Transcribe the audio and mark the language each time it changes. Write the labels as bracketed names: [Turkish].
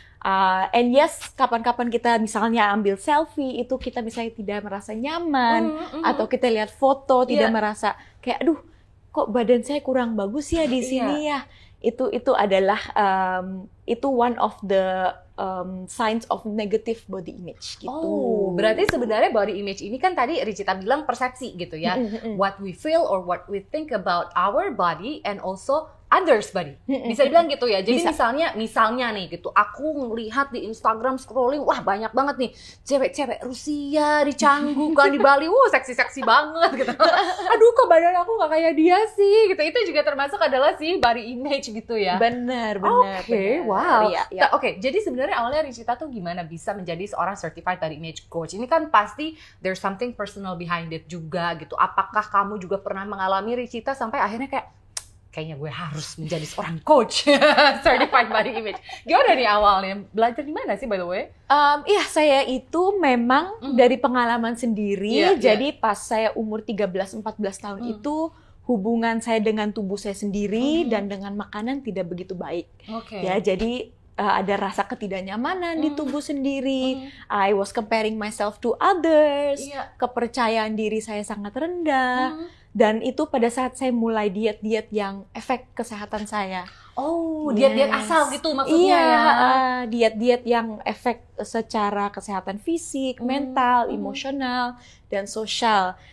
[English] And yes, [Indonesian] kapan-kapan kita misalnya ambil selfie, itu kita misalnya tidak merasa nyaman. Atau kita lihat foto, tidak merasa kayak aduh kok badan saya kurang bagus ya di sini ya. Itu adalah itu [English] one of the signs of negative body image [Indonesian] gitu. Oh, berarti sebenarnya body image ini kan tadi Richita bilang persepsi gitu ya. [English] What we feel or what we think about our body and also others body. [Indonesian] Bisa dibilang gitu ya. Jadi misalnya nih gitu, aku ngelihat di Instagram scrolling, wah banyak banget nih cewek-cewek Rusia di Canggu kan di Bali. Wah, seksi-seksi banget gitu. Aduh, kok badan aku enggak kayak dia sih? Gitu. Itu juga termasuk adalah si body image gitu ya. Benar. Oke, wow. Oke, jadi sebenarnya awalnya Richita tuh gimana bisa menjadi seorang certified body image coach? Ini kan pasti [English] there's something personal behind it [Indonesian] juga gitu. Apakah kamu juga pernah mengalami Richita sampai akhirnya kayaknya gue harus menjadi seorang coach certified body image. Gimana nih awalnya? Belajar di mana sih [English] by the way? [Indonesian] Saya itu memang dari pengalaman sendiri. Jadi pas saya umur 13-14 tahun itu hubungan saya dengan tubuh saya sendiri dan dengan makanan tidak begitu baik. Ya, jadi ada rasa ketidaknyamanan di tubuh sendiri. [English] I was comparing myself to others. [Indonesian] Kepercayaan diri saya sangat rendah. Dan itu pada saat saya mulai diet-diet yang efek kesehatan saya. Diet-diet asal gitu maksudnya ya? Diet-diet yang efek secara kesehatan fisik, mental, emosional, dan sosial.